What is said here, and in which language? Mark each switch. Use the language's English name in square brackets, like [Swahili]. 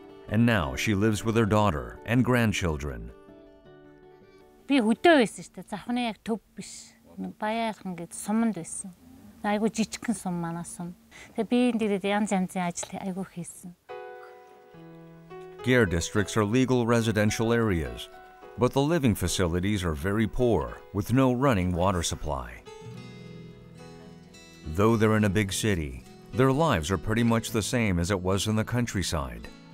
[English] And now she lives with her daughter and grandchildren. [Mongolian] Би хөдөө байсан шүү дээ. Завхны яг төв биш. Баяархан гэж суманд байсан. Айгу жижигхэн сум манаа сум. Тэгээ би энэ дээр янз янзын ажил айгу хийсэн. [English] Gare districts are legal residential areas, but the living facilities are very poor, with no running water supply. Though they're in a big city, their lives are pretty much the same as it was in the countryside.